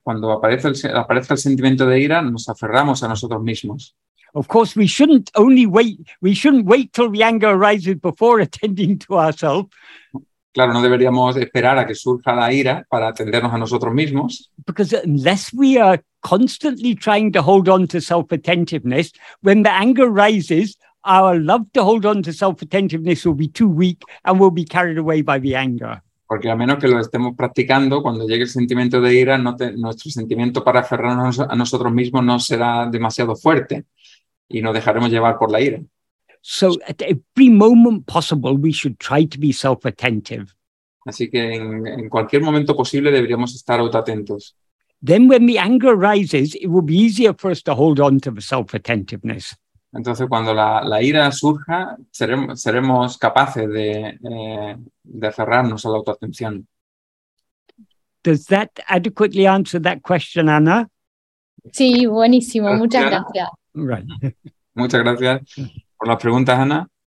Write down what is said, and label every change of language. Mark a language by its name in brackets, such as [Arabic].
[Spanish] Cuando aparece el sentimiento de ira, nos aferramos a nosotros mismos. [English] Of course, we shouldn't only wait. We shouldn't wait till the anger arises before attending to ourselves. [Spanish] Claro, no deberíamos esperar a que surja la ira para atendernos a nosotros mismos. [English] Because unless we are constantly trying to hold on to self-attentiveness, when the anger rises, our love to hold on to self-attentiveness will be too weak and will be carried away by the anger. [Spanish] Porque a menos que lo estemos practicando, cuando llegue el sentimiento de ira, nuestro sentimiento para aferrarnos a nosotros mismos no será demasiado fuerte y nos dejaremos llevar por la ira. [English] So at every moment possible, we should try to be self-attentive. [Spanish] Así que en cualquier momento posible deberíamos estar autoatentos. [English] then when the anger rises, it will be easier for us to hold on to the self-attentiveness. [Spanish] Entonces, cuando la ira surja, seremos capaces de cerrarnos a la autoatención. [English] Does that adequately answer that question, Anna? [Spanish] Sí, buenísimo. Gracias. Muchas gracias. [English] Right. [Spanish] Muchas gracias por las preguntas, Anna.